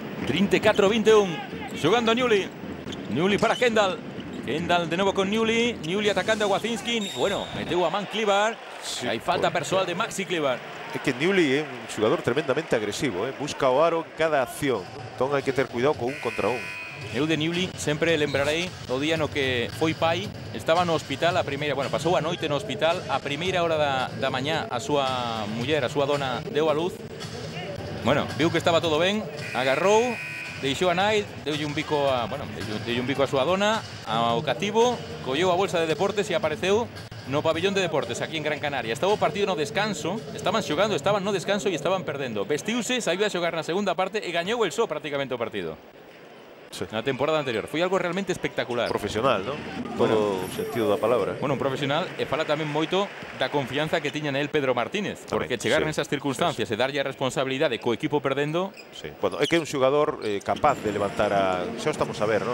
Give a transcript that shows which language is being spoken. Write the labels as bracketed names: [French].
[Spanish] 34-21. Jugando Newley. Newley para Kendall. Kendall de nuevo con Newley. Newley atacando a Wacinski. Bueno, metió a Man Clíbar. Sí, hay falta personal de Maxi Clíbar. Es que Newley es un jugador tremendamente agresivo. Busca [Galician] o aro [Spanish] en cada acción. Entonces hay que tener cuidado con un contra un. [Galician] Eu de Newley [Spanish] siempre [Galician] lembraré o día no que foi pai, estaba no hospital a primeira, bueno, pasou a noite no hospital, a primeira hora da mañá a súa muller, a súa dona, deu a luz. Bueno, viu que estaba todo ben, agarrou, deixou a nai, deu un bico a súa dona, ao cativo, colleu a bolsa de deportes e apareceu no pabellón de deportes, aquí en Gran Canaria. Estaba o partido no descanso, estaban xogando, estaban no descanso e estaban perdendo. Vestiuse, saiu a xogar na segunda parte e gañou el só prácticamente o partido. [Spanish] Sí. La temporada anterior. Fue algo realmente espectacular. Profesional, ¿no? Todo bueno, sentido de la palabra. Bueno, un profesional. [Galician] Y fala también moito da confianza que tiña en él Pedro Martínez. [Spanish] También, porque llegar en esas circunstancias y darle responsabilidad de coequipo perdiendo. Sí. Bueno, es que es un jugador capaz de levantar a. Ya estamos a ver, ¿no?